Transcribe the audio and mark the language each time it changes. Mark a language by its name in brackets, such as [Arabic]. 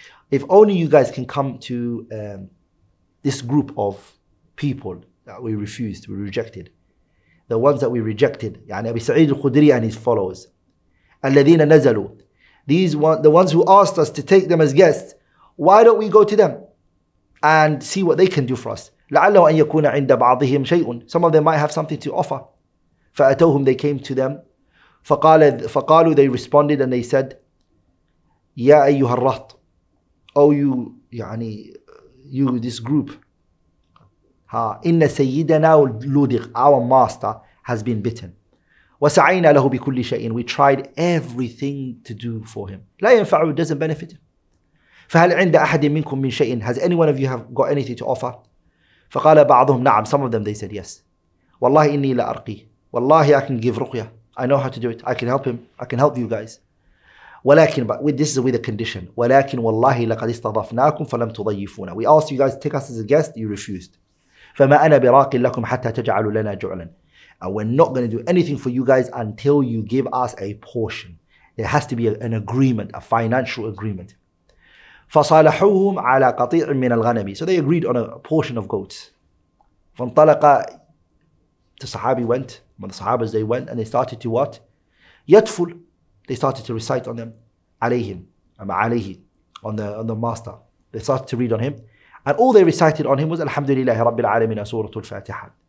[English] If only you guys can come to this group of people that we refused, we rejected. The ones that we rejected, يعني أبي سعيد الخدري and his followers. [Arabic] الذين نزلوا. [English] These ones, the ones who asked us to take them as guests, why don't we go to them and see what they can do for us? [Arabic] لعله أن يكون عند بعضهم شيء. [English] Some of them might have something to offer. [Arabic] فأتوهم, [English] they came to them. [Arabic] فقالوا, [English] they responded and they said, [Arabic] يا أيها الرهط. [English] Oh you, يعني, you this group. [Arabic] إِنَّ سَيِّدَنَا لُودِغْ. [English] Our master has been bitten. [Arabic] وَسَعَيْنَا لَهُ بِكُلِّ شَيْءٍ. [English] We tried everything to do for him. [Arabic] لَا يَنْفَعُهُ. [English] It doesn't benefit him. [Arabic] فَهَلْ عِنْدَ أَحَدٍ مِنْكُمْ مِنْ شَيْءٍ. [English] Has anyone of you have got anything to offer? [Arabic] فَقَالَ بَعْضُهُمْ نَعَمْ. [English] Some of them, they said yes. [Arabic] وَاللَّهِ إِنِّي لَأَرْقِي. [English] Wallahi, I can give ruqya. I know how to do it. I can help him. I can help you guys. [Arabic] ولكن, [English] but this is with a condition. [Arabic] وَلَكِنْ وَاللَّهِ لَقَدْ اسْتَضَفْنَاكُمْ فَلَمْ تُضَيِّفُونَ. [English] We asked you guys to take us as a guest. You refused. [Arabic] فما أنا براق لكم حتى تجعلوا لنا جعلا. [English] And we're not going to do anything for you guys until you give us a portion. There has to be an agreement, a financial agreement. [Arabic] فصالحوهم على قطيع من الغنم. [English] So they agreed on a portion of goats. [Arabic] فانطلق, [English] the Sahabi went, when the Sahabas, they went and they started to what? [Arabic] يتفل. [English] They started to recite on them, [Arabic] عليهم, عليه, [English] on the master. They started to read on him. And all they recited on him was Alhamdulillah Rabbil Alamin Surah Al-Fatiha.